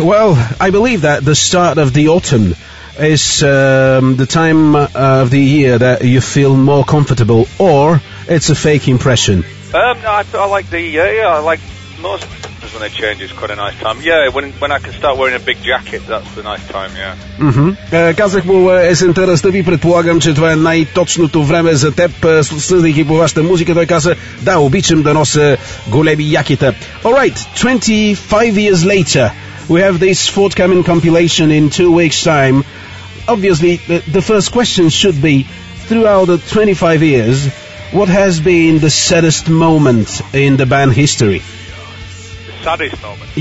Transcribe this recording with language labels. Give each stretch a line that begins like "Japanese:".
English: Well, I believe that the start of the autumn is the time of the year that you feel more comfortable, or it's a fake impression? No, I like the I like most things when they change. It's quite a nice time. Yeah, when I can start wearing a big jacket, that's the nice time. Yeah. Mhm.
Bulgarian: Казах му есента да ви предполагам, че това е най-точното време за теб, съдейки по вашата музика. Той каза, да, обичам да нося големи якета.
English: All right, 25 years later. We have this forthcoming compilation in 2 weeks' time. Obviously, the first question should be, throughout the 25 years, what has been the saddest moment in the band history? The saddest moment?